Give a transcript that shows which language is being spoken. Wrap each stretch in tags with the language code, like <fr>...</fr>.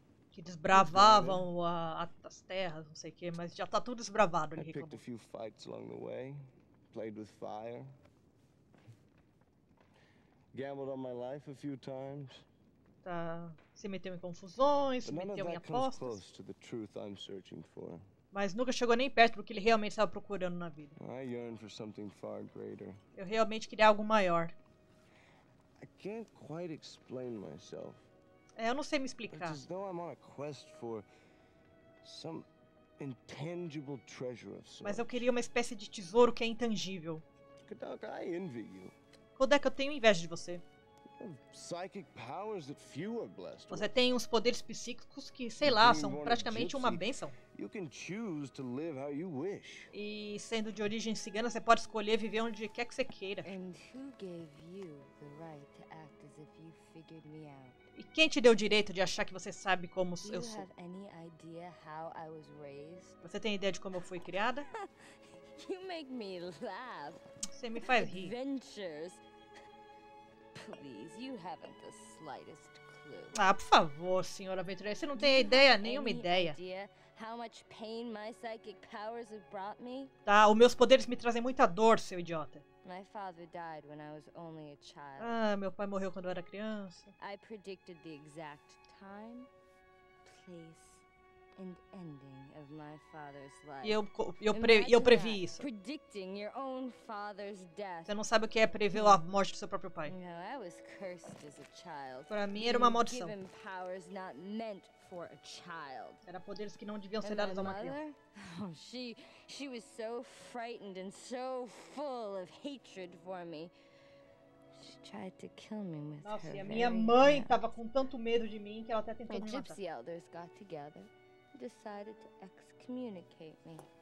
<pt>Que desbravavam as terras, não sei o quê, mas já tá tudo desbravado, ele reclamou.</pt> <en>I picked a few fights along the way, played with fire, gambled on my life a few times.</en> <pt>Tá, se meteu em confusões, se meteu em apostas.</pt> <en>To the truth I'm searching for.</en> <pt>Mas nunca chegou nem perto do que ele realmente estava procurando na vida.</pt> <en>I yearn for something far greater.</en> <pt>Eu realmente queria algo maior.</pt> <en>I can't quite explain myself.</en> <pt>É, eu não sei me explicar.</pt> <en>It's as though I'm on a quest for some intangible treasure of sorts.</en> <pt>Mas eu queria uma espécie de tesouro que é intangível.</pt> <en>Kodak, I envy you.</en> <pt>Kodak, eu tenho inveja de você.</pt> <en>Psychic powers that few are blessed.</en> <pt>Você tem uns poderes psíquicos que, sei lá, são praticamente uma bênção.</pt> <en>You can choose to live how you wish.</en> <pt>E sendo de origem cigana, você pode escolher viver onde quer que você queira.</pt> <en>And who gave you the right to act as if you figured me out?</en> <pt>E quem te deu o direito de achar que você sabe como</pt> <en>you</en> <pt>eu sou?</pt> <en>Have any idea how I was raised?</en> <pt>Você tem ideia de como eu fui criada?</pt> <en>You make me laugh.</en> <pt>Você me faz rir.</pt> <en>Adventures. Please, you haven't the slightest clue.</en> <pt>Ah, por favor, senhora aventureira, você não tem ideia, nenhuma ideia.</pt> <en>How much pain my psychic powers have brought me?</en> <pt>Tá, os meus poderes me trazem muita dor, seu idiota.</pt> <en>My father died when I was only a child.</en> <pt>Ah, meu pai morreu quando eu era criança.</pt> <en>I predicted the exact time, place, and ending of my father's life.</en> <pt>E eu previ isso.</pt> <en>Predicting your own father's death.</en> <pt>Você não sabe o que é prever a morte do seu próprio pai.</pt> <en>No, I was cursed as a child.</en> <pt>Para mim era uma maldição.</pt> <en>Given powers not meant for a child.</en> <pt>Era poderes que não deviam ser dados a uma criança.</pt> <en>Oh, she was so frightened and so full of hatred for me. Tried to kill me with</en> <pt>Nossa, her e a minha mãe estava com tanto medo de mim que ela até tentou</pt> <en>my</en> <pt>me matar.</pt> <en>Gypsy elders got together, decided to excommunicate me.</en>